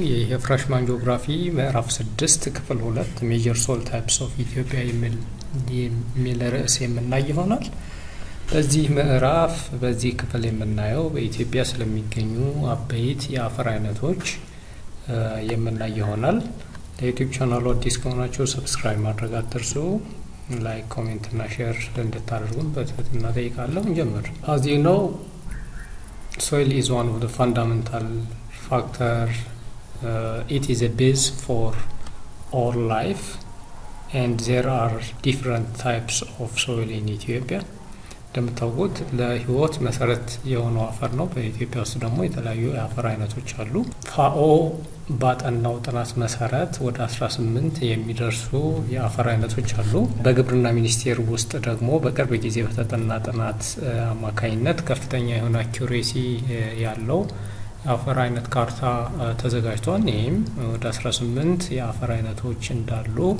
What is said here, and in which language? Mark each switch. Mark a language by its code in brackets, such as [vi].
[am] ይሄ ፍራሽማን ጂኦግራፊ ምዕራፍ 6 ክፍል 2 ሜጀር ሶል ታይፕስ ኦፍ ኢትዮጵያ የሚል ርዕስ የምናይ ይሆናል። በዚህ ምዕራፍ በዚህ ክፍል የምናየው በኢትዮጵያ ስለሚገኙ አበይት የአፈር አይነቶች የምናይ ይሆናል። ለዩቲዩብ ቻናሉ አዲስ ከሆናችሁ ሰብስክራይብ ማድረግ አትርሱ። ላይክ፣ ኮሜንት እና ሼር እንድታደርጉን በትህትና ጠይቃለሁ። እንጀምር። [en] As you know, soil is one of the fundamental factors. It is a base for all life, and there are different types of soil in Ethiopia. [am] እንደምታውቁት ለህይወት መሰረት የሆነው አፈር ነው። በኢትዮጵያ ውስጥ ደግሞ የተለያዩ የአፈር አይነቶች አሉ። ፋኦ ባጠናው ጥናት መሰረት ወደ 18 የሚደርሱ የአፈር አይነቶች አሉ። በግብርና ሚኒስቴር ውስጥ ደግሞ በቅርብ ጊዜ በተጠና ጥናት አማካኝነት ከፍተኛ የሆነ አኪዩሬሲ ያለው የአፈር አይነት ካርታ ተዘጋጅቷል። ይህም ወደ 18 የአፈር አይነቶች እንዳሉ